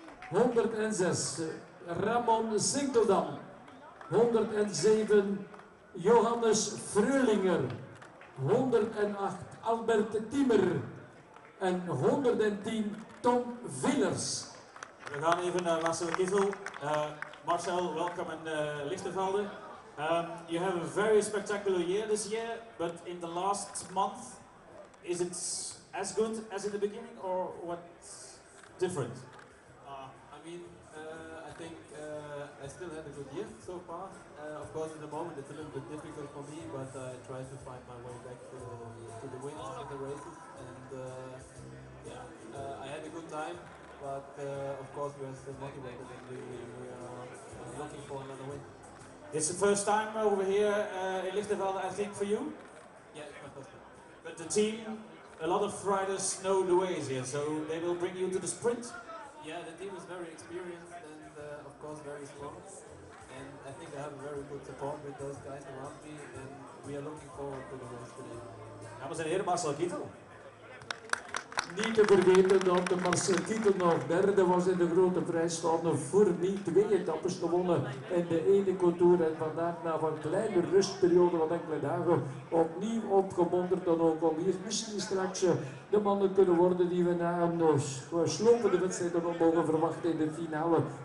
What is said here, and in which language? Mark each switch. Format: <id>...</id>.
<nl>106, Ramon Sinkeldam. 107, Johannes Freulinger. 108, Albert Tiemer. En 110, Tom Villers. We gaan even naar Marcel Kittel. Marcel, welkom in Lichtenvelde.</nl> <en>You have a very spectacular year this year, but in the last month, is it as good as in the beginning, or what's different? I still had a good year so far. Of course, in the moment it's a little bit difficult for me, but I try to find my way back to the wins of the races. And I had a good time, but of course we are still motivated and we are looking for another win. It's the first time over here in Lichtenvelde, I think, for you? Yeah, it's my first time. But the team, a lot of riders know the ways here, so they will bring you to the sprint. Yeah, the team is very experienced and of course very strong, and I think I have a very good support with those guys around me, and we are looking forward to the race today.</en> <nl>Dames en heren, Marcel Kittel. Niet te vergeten dat de Marcel Kittel nog derde was in de grote prijs van Fournier. Twee etappes gewonnen in de ene contour. En vandaag, na een kleine rustperiode van enkele dagen, opnieuw opgemonterd dan ook om hier misschien straks de mannen kunnen worden die we na een geslopende wedstrijd nog mogen verwachten in de finale.</nl>